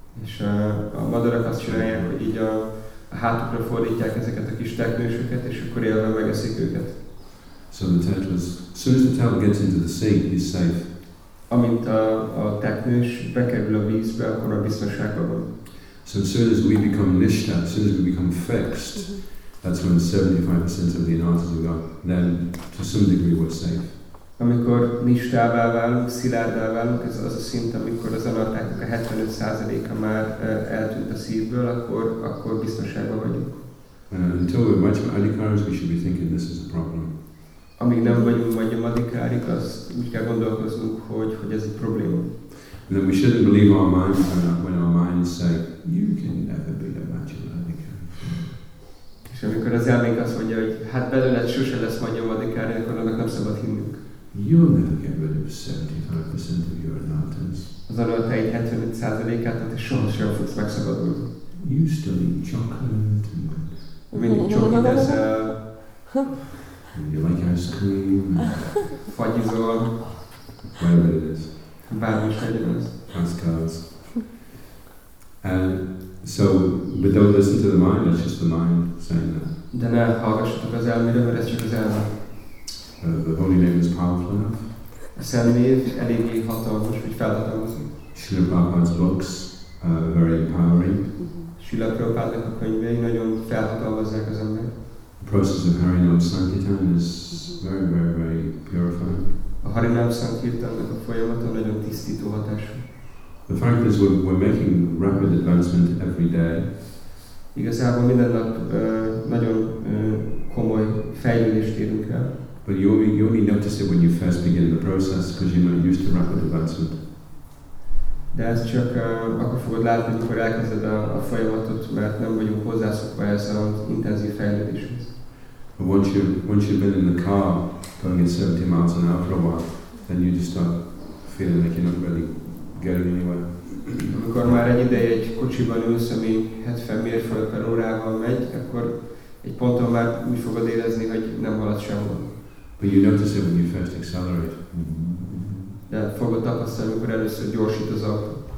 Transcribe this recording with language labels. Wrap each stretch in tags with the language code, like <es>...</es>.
<hu>És a madarak azt csinálják, hogy így a hátukra fordítják ezeket a kis teknősöket, és akkor élve megeszik őket.</hu> <en>So the turtle, as soon as the turtle gets into the sea, he's safe.</en> <hu>Amint a teknős bekerül a vízbe, akkor a biztonságban van.</hu> <en>So as soon as we become nishta, as soon as we become fixed, that's when 75% of the anattas are gone, then to some degree we're safe.</en> <hu>Amikor nishtává válunk, szilárdá válunk, ez az a szint, amikor az anattáknak a 75%-a már eltűnt a szívből, akkor biztonságban vagyunk.</hu> <en>Until we're Madhyama Adhikaris, we should be thinking this is a problem.</en> <hu>Amíg nem vagyunk Madhyama Adhikarik, az úgy kell gondolkoznunk, hogy ez egy probléma.</hu> <en>And then we shouldn't believe our minds when our minds say, you can never be a Madhyama Adhikari.</en> <hu>És amikor az elménk azt mondja, hogy hát belőled sose lesz Madhyama Adhikari, akkor annak nem szabad hinnünk.</hu> <en>You'll never get rid of 75% of your anattas.</en> <hu>Az anattáid 75%-át, tehát sohasem fogsz megszabadulni.</hu> <en>You still eat chocolate.</en> <hu>Mindig csokit eszel.</hu> <en>You like ice cream.</en> <hu>Fagyizol.</hu> <en>Whatever it is.</en> <hu>Bármi is legyen az.</hu> <en>Ice cards. So, but don't listen to the mind, that's just the mind saying that.</en> <hu>De ne hallgassatok az elmére, mert ez csak az elme.</hu> <en>The holy name is powerful enough.</en> <hu>A szent név eléggé hatalmas, hogy felhatalmazunk.</hu> <en>Srila Prabhupada's books are very empowering.</en> <hu>Srila Prabhupada-nak a könyvei nagyon felhatalmazzák az embert.</hu> <en>The process of Harinam Sankirtan is very, very, very purifying.</en> <hu>A Harinam Sankirtan-nak a folyamata nagyon tisztító hatású.</hu> <en>The fact is we're making rapid advancement every day.</en> <hu>Igazából minden nap nagyon komoly fejlődést érünk el.</hu> <en>But you only notice it when you first begin the process, because you're not used to rapid advancement.</en> <hu>De ez csak akkor fogod látni, amikor elkezded a folyamatot, mert nem vagyunk hozzászokva ez az intenzív fejlődéshez.</hu> <en>But once you've been in the car going at 70 miles an hour for a while, then you just start feeling like you're not really getting anywhere.</en> <hu>Amikor már egy ideje egy kocsiban ülsz, ami 70 mérföld per órával megy, akkor egy ponton már úgy fogod érezni, hogy nem halad sehol.</hu> <en>But you notice it when you first accelerate.</en> <hu>De fogod tapasztalni, amikor először gyorsít az autó.</hu>